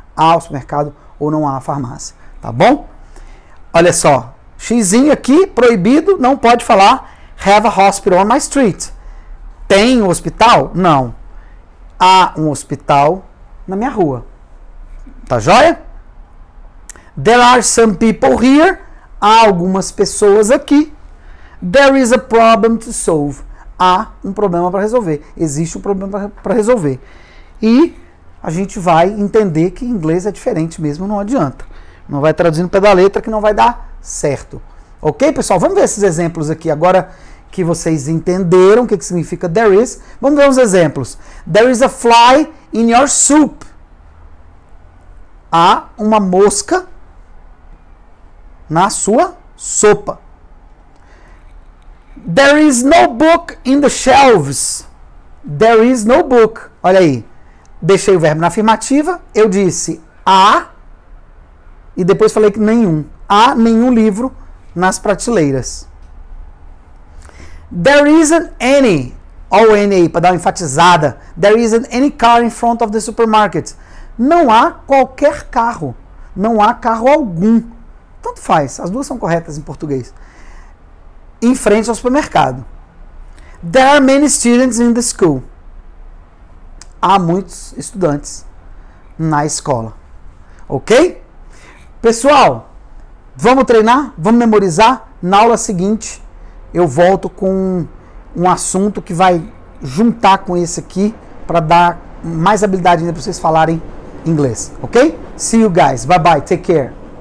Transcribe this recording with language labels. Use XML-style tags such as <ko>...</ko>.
<pt>Há o supermercado ou não há a farmácia, tá bom? Olha só, xizinho aqui, proibido, não pode falar</pt> <en>have a hospital on my street.</en> <pt>Tem um hospital? Não. Há um hospital na minha rua. Tá joia?</pt> <en>There are some people here.</en> <pt>Há algumas pessoas aqui.</pt> <en>There is a problem to solve.</en> <pt>Há um problema para resolver. Existe um problema para resolver. E a gente vai entender que inglês é diferente mesmo, não adianta. Não vai traduzindo o pé da letra que não vai dar certo. Ok, pessoal? Vamos ver esses exemplos aqui agora que vocês entenderam o que significa there is. Vamos ver uns exemplos.</pt> <en>There is a fly in your soup.</en> <pt>Há uma mosca na sua sopa.</pt> <en>There is no book in the shelves. There is no book.</en> <pt>Olha aí. Deixei o verbo na afirmativa. Eu disse há. E depois falei que nenhum. Há nenhum livro nas prateleiras.</pt> <en>There isn't any.</en> <pt>Olha o N aí para dar uma enfatizada.</pt> <en>There isn't any car in front of the supermarket.</en> <pt>Não há qualquer carro. Não há carro algum. Tanto faz. As duas são corretas em português. Em frente ao supermercado.</pt> <en>There are many students in the school.</en> <pt>Há muitos estudantes na escola. Ok? Pessoal, vamos treinar? Vamos memorizar? Na aula seguinte, eu volto com um assunto que vai juntar com esse aqui para dar mais habilidade ainda para vocês falarem inglês, ok?</pt> <en>See you guys. Bye bye. Take care.</en>